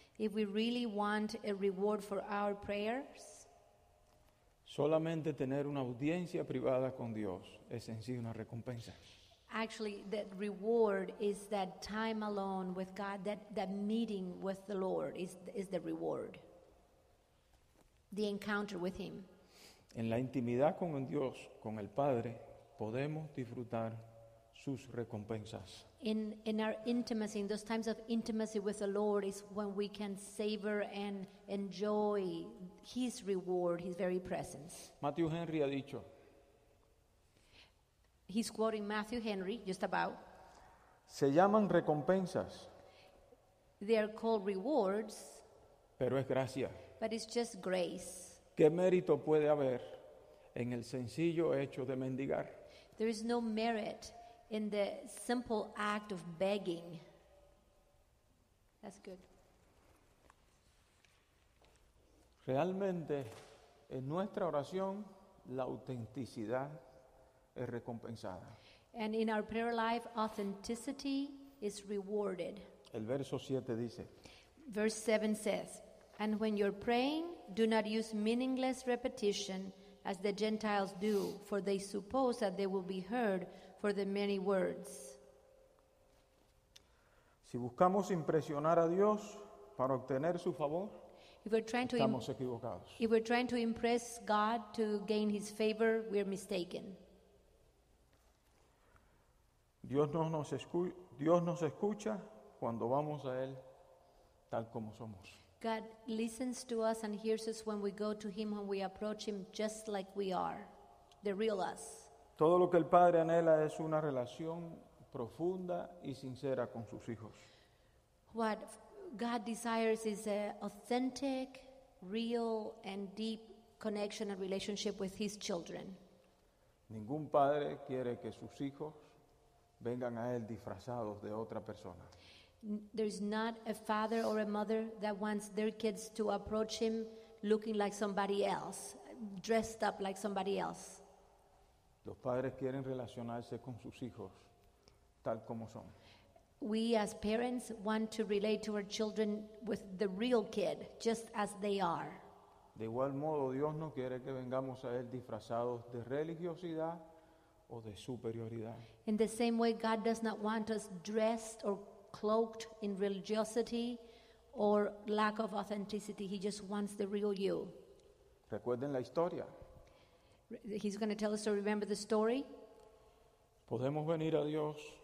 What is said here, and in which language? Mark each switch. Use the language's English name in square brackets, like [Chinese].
[English] if we really want a reward for our prayers, [Spanish] solamente tener una audiencia privada con Dios es en sí una recompensa. [English] Actually, that reward is that time alone with God, that meeting with the Lord is the reward. The encounter with Him. [Spanish] En la intimidad con Dios, con el Padre, podemos disfrutar sus recompensas. [English] In our intimacy, in those times of intimacy with the Lord, is when we can savor and enjoy His reward, His very presence. [Spanish] Matthew Henry ha dicho. [English] He's quoting Matthew Henry, just about. [Spanish] Se llaman recompensas. [English] They are called rewards. [Spanish] Pero es gracia. [English] But it's just grace. [Spanish] ¿Qué mérito puede haber en el sencillo hecho de mendigar? [English] There is no merit in the simple act of begging. That's good. [Spanish] Realmente, en nuestra oración, la autenticidad es recompensada. [English] And in our prayer life, authenticity is rewarded. [Spanish] El verso 7 dice. [English] Verse 7 says, and when you're praying, do not use meaningless repetition as the Gentiles do, for they suppose that they will be heard for the many words. [Spanish] Si buscamos impresionar a Dios para obtener su favor, [English] if we're trying to impress God to gain His favor, we're mistaken. [Spanish] Dios nos escucha cuando vamos a Él tal como somos. [English] God listens to us and hears us when we go to Him, when we approach Him just like we are, the real us. [Spanish] Todo lo que el Padre anhela es una relación profunda y sincera con sus hijos. [English] What God desires is an authentic, real, and deep connection and relationship with His children. [Spanish] Ningún padre quiere que sus hijos vengan a Él disfrazados de otra persona. [English] There is not a father or a mother that wants their kids to approach Him looking like somebody else, dressed up like somebody else. [Spanish] Los padres quieren relacionarse con sus hijos tal como son. [English] We as parents want to relate to our children with the real kid, just as they are. [Spanish] De igual modo, Dios no quiere que vengamos a Él disfrazados de religiosidad o de superioridad. [English] In the same way, God does not want us dressed or cloaked in religiosity or lack of authenticity. He just wants the real you. [Spanish] Recuerden la historia. [English] He's going to tell us to remember the story. [Spanish] Podemos venir a Dios.